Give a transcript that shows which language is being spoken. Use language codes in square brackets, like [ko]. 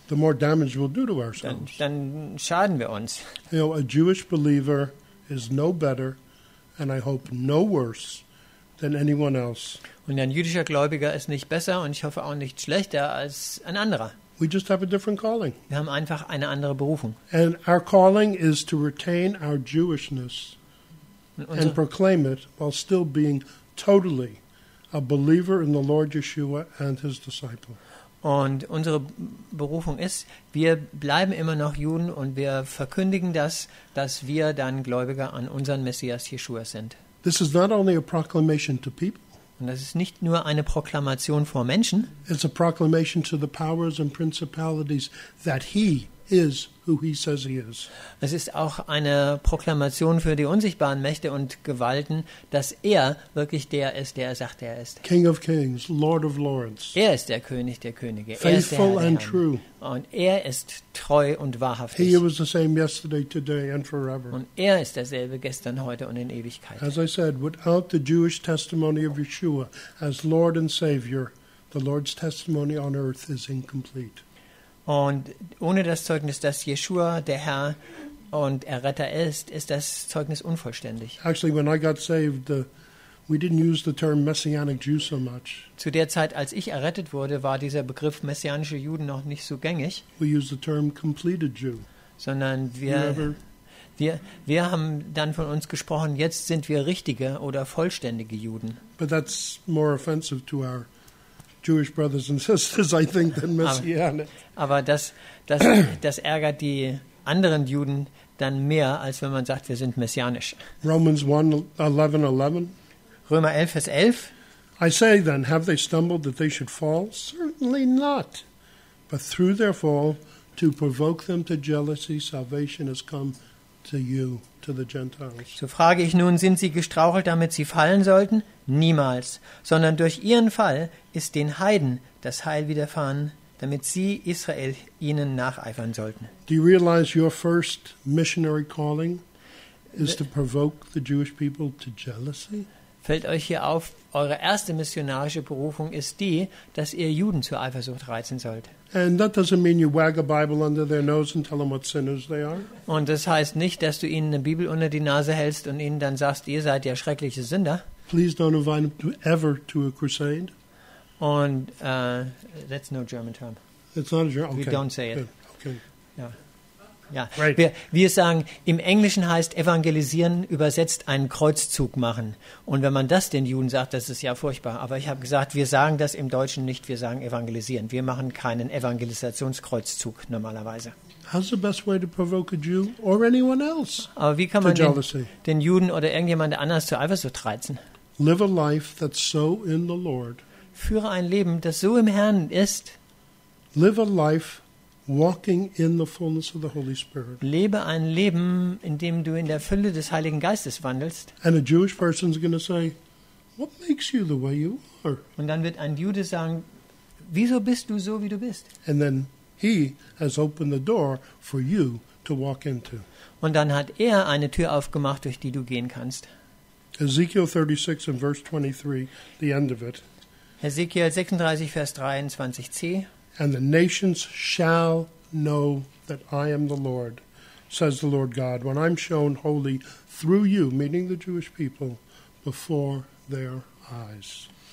[en] the more damage we'll do to ourselves. [de] Dann schaden wir uns. [en] You know, a Jewish believer is no better, and I hope no worse, than anyone else. [de] Und ein jüdischer Gläubiger ist nicht besser und ich hoffe auch nicht schlechter als ein anderer. [en] We just have a different calling. [de] Wir haben einfach eine andere Berufung. [en] And our calling is to retain our Jewishness and proclaim it while still being totally a believer in the Lord Yeshua and his disciple. [de] Und unsere Berufung ist, wir bleiben immer noch Juden und wir verkündigen das, dass wir dann Gläubiger an unseren Messias Yeshua sind. [en] This is not only a proclamation to people. [de] Und das ist nicht nur eine Proklamation vor Menschen. [en] It's a proclamation to the powers and principalities that he is who he says he is. [de] Es ist auch eine Proklamation für die unsichtbaren Mächte und Gewalten, dass er wirklich der ist, der er sagt, er ist. [en] King of kings, Lord of lords. [de] Er ist der König der Könige. [en] Faithful [de] der [en] and true. [de] Und er ist treu und wahrhaftig. [en] He was the same yesterday, today and forever. [de] Und er ist derselbe gestern, heute und in Ewigkeit. [en] As I said, without the Jewish testimony of Yeshua as Lord and Savior, the Lord's testimony on earth is incomplete. [de] Und ohne das Zeugnis, dass Yeshua der Herr und Erretter ist, ist das Zeugnis unvollständig. [en] Actually, when I got saved, we didn't use the term messianic Jew so much. [de] Zu der Zeit, als ich errettet wurde, war dieser Begriff messianische Juden noch nicht so gängig. [en] We used the term completed Jew. [de] Sondern wir, Wir haben dann von uns gesprochen, jetzt sind wir richtige oder vollständige Juden. [en] But that's more offensive to our Jewish brothers and sisters, I think, than Messianic. [de] Aber das ärgert die anderen Juden dann mehr, als wenn man sagt, wir sind messianisch. [en] Romans 1:11-11. [de] Römer 11, Vers 11. [en] I say then, have they stumbled that they should fall? Certainly not. But through their fall, to provoke them to jealousy, salvation has come to you, to the Gentiles. [de] So frage ich nun, sind sie gestrauchelt, damit sie fallen sollten? Niemals. Sondern durch ihren Fall ist den Heiden das Heil widerfahren, damit sie, Israel, ihnen nacheifern sollten. [en] Do you realize your first missionary calling is to provoke the Jewish people to jealousy? [de] Fällt euch hier auf, eure erste missionarische Berufung ist die, dass ihr Juden zur Eifersucht reizen sollt. Und das heißt nicht, dass du ihnen eine Bibel unter die Nase hältst und ihnen dann sagst, ihr seid ja schreckliche Sünder. [en] Please don't invite them ever to a crusade. Und that's no German term. It's not a German. Okay. We don't say it. Okay. [de] Ja. Ja. [en] Right. [de] Wir sagen, im Englischen heißt evangelisieren übersetzt einen Kreuzzug machen. Und wenn man das den Juden sagt, das ist ja furchtbar. Aber ich habe gesagt, wir sagen das im Deutschen nicht, wir sagen evangelisieren. Wir machen keinen Evangelisationskreuzzug normalerweise. [en] How's the best way to provoke a Jew or anyone else? [de] Aber wie kann man den Juden oder irgendjemand anders zur Eifersucht reizen? [en] Live a life that's so in the Lord. [de] Führe ein Leben, das so im Herrn ist. [en] Live a life walking in the fullness of the Holy Spirit. [de] Lebe ein Leben, in dem du in der Fülle des Heiligen Geistes wandelst. [en] And a Jewish person is going to say, "What makes you the way you are?" [de] Und dann wird ein Jude sagen, wieso bist du so, wie du bist? [en] And then he has opened the door for you to walk into. [de] Und dann hat er eine Tür aufgemacht, durch die du gehen kannst. [en] Ezekiel 36 and verse 23, the end of it. [de] Ezekiel 36, Vers 23c. [en] And the nations shall know that I am the Lord, says the Lord God, when I'm shown holy through you, meaning the Jewish people, before their eyes.